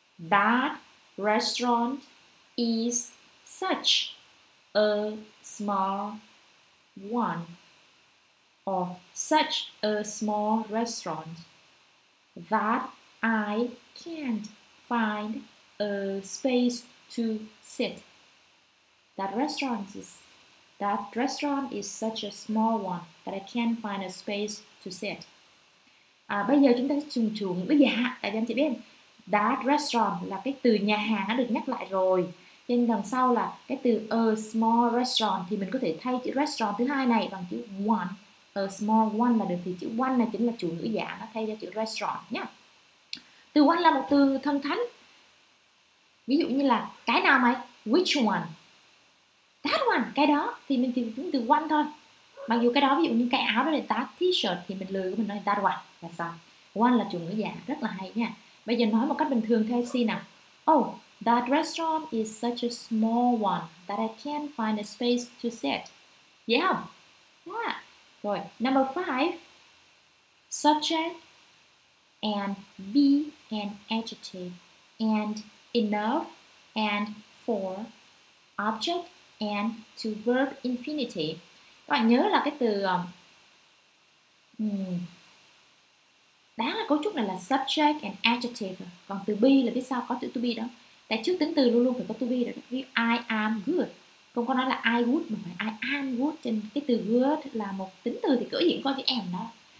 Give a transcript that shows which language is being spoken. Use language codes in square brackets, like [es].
[en] That restaurant is such a small one, or such a small restaurant, that I can't find a space to sit. That restaurant is such a small one that I can't find a space to sit. [vi] À, bây giờ chúng ta sẽ trùng trùng bây giờ, tại vì anh chị biết that restaurant là cái từ nhà hàng đã được nhắc lại rồi. Nhưng đằng sau là cái từ a small restaurant thì mình có thể thay chữ restaurant thứ hai này bằng chữ one. A small one là được, thì chữ one này chính là chủ ngữ giả, nó thay cho chữ restaurant nhá. Từ one là một từ thân thánh. Ví dụ như là cái nào mày? [en] Which one? That one, [vi] cái đó, thì mình tìm đúng từ one thôi. Mặc dù cái đó, ví dụ như cái áo đó là [en] that t-shirt, [vi] thì mình lười của mình nói [en] that one [vi] là xong. One là chủ ngữ giả, rất là hay nha. Bây giờ nói một cách bình thường theo xin nào. [en] Oh, that restaurant is such a small one that I can't find a space to sit. Yeah, [vi] không? [en] Yeah. Rồi, number five. Subject and be an adjective and enough and for object and to verb infinitive. [vi] Các bạn nhớ là cái từ đáng là cấu trúc này là subject and adjective. Còn từ be là biết sao có chữ to be đó. Tại trước tính từ luôn luôn phải có to be đó. Ví dụ [en] I am good, [vi] không có nói là [en] I would [vi] mà phải I am good. Trên cái từ good là một tính từ thì cỡ hiện có chữ am đó.